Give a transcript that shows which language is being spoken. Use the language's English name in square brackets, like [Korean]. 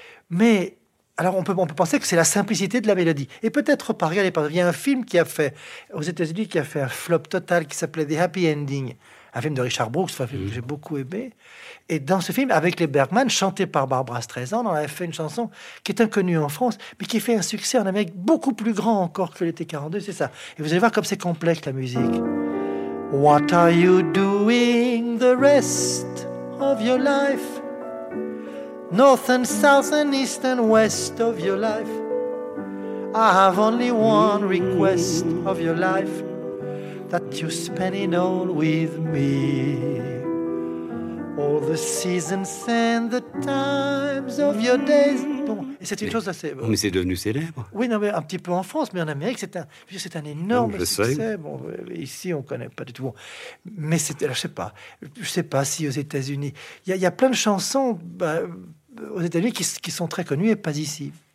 [French] Mais, alors on peut penser que c'est la simplicité de la mélodie. Et peut-être pas, regardez, il y a un film qui a fait, aux États-Unis, qui a fait un flop total qui s'appelait The Happy Ending. Un film de Richard Brooks, un film que j'ai beaucoup aimé. Et dans ce film, avec les Bergman, chanté par Barbara Streisand, on avait fait une chanson qui est inconnue en France, mais qui fait un succès en Amérique beaucoup plus grand encore que l'été 42, c'est ça. Et vous allez voir comme c'est complexe, la musique. [English] What are you doing the rest of your life? North and south and east and west of your life. I have only one request of your life. That you spend it all with me. All the seasons and the times of your days. [French] Bon, et c'est une chose assez... Mais c'est devenu célèbre. Oui, non, mais un petit peu en France, mais en Amérique, c'est un énorme succès. Bon, ici, on ne connaît pas du tout. Bon, mais c'est, alors, je ne sais pas si aux États-Unis... Il y a plein de chansons aux États-Unis qui sont très connues et pas ici.